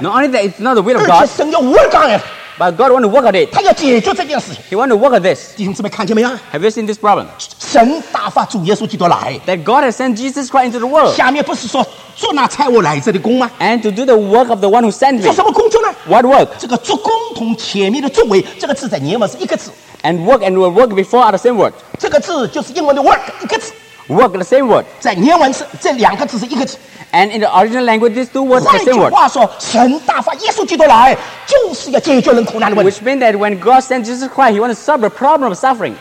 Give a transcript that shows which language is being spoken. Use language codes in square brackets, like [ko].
[en] Not only that, it's not the will of God. [zh] 而且神要 [en] work on it. But God want to work on it. [zh] 他要解决这件事情。 [en] He want to work on this. [zh] 弟兄姊妹，看见没有？ [en] Have you seen this problem? [zh] 神打发主耶稣基督来。 [en] That God has sent Jesus Christ into the world. [zh] 下面不是说。做那差我来这的工吗 [en] ？And to do the work of the one who sent me. [zh] 做什么工作呢 [en] ？What work? [zh] 这个做工同前面的作为这个字在英文是一个字。 [en] And work and will work before are the same word. [zh] 这个字就是英文的 work 一个字。 [en] Work the same word. [zh] 在英文是这两个字是一个字。 [en] And in the original language, these two words are the same word. [zh] 换句话说，神大发耶稣基督来就是要解决人苦难的问题。 [en] Which means that when God sent Jesus Christ, He wants to solve the problem of suffering.